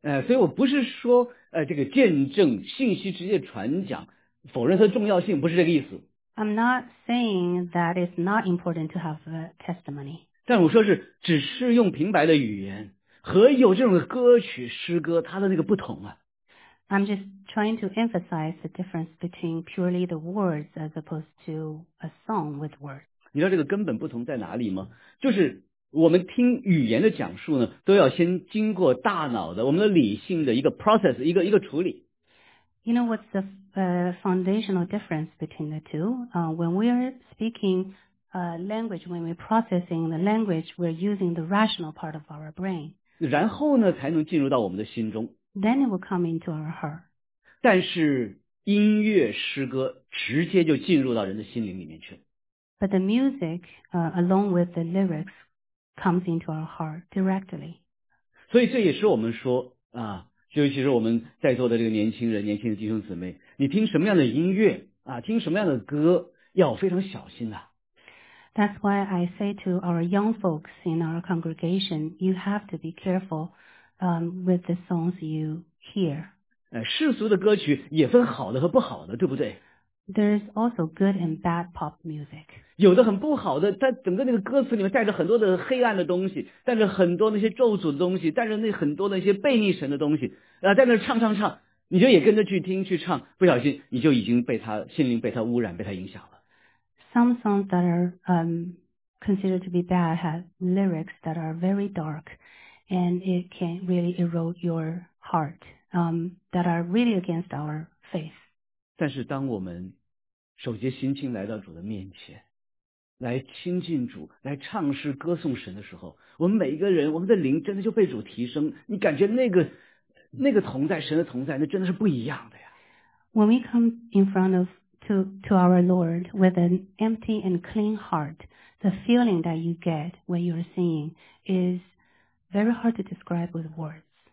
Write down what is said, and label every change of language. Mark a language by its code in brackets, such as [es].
[zh] 所以我不是说这个见证信息直接传讲否认它的重要性，不是这个意思。 [en] I'm not saying that it's not important to have a testimony. [zh] 但我说是只是用平白的语言和有这种歌曲诗歌它的那个不同啊。 [en] I'm just trying to emphasize the difference between purely the words as opposed to a song with words. [zh] 你知道这个根本不同在哪里吗？就是我们听语言的讲述呢，都要先经过大脑的我们的理性的一个 process, 一个处理。 [en] You know what's the foundational difference between the two? When we are speaking language, when we're processing the language, we're using the rational part of our brain. [zh] 然后呢，才能进入到我们的心中。 [en] Then it will come into our heart. [zh] 但是音乐诗歌直接就进入到人的心灵里面去了。 [en] But the music, along with the lyrics, comes into our heart directly. [zh] 所以这也是我们说就其实我们在座的这个年轻人，年轻的弟兄姊妹，你听什么样的音乐听什么样的歌要非常小心啊。 [en] That's why I say to our young folks in our congregation, you have to be careful, with the songs you hear. [zh] 世俗的歌曲也分好的和不好的，对不对？ [en] There's also good and bad pop music. [zh] 有的很不好的，它整个那个歌词里面带着很多的黑暗的东西，带着很多那些咒诅的东西，带着那很多那些悖逆神的东西，在那唱唱唱，你就也跟着去听去唱，不小心你就已经被他心灵被他污染被他影响了。 [en] Some songs that are considered to be bad have lyrics that are very dark, and it can really erode your heart. That are really against our faith. [zh] 但是当我们守节心清来到主的面前，来亲近主，来唱诗歌颂神的时候，我们每一个人，我们的灵真的就被主提升。你感觉那个同在，神的同在，那真的是不一样的呀。 [en] When we come in front of to our Lord with an empty and clean heart, the feeling that you get when you're singing is very hard to describe with words.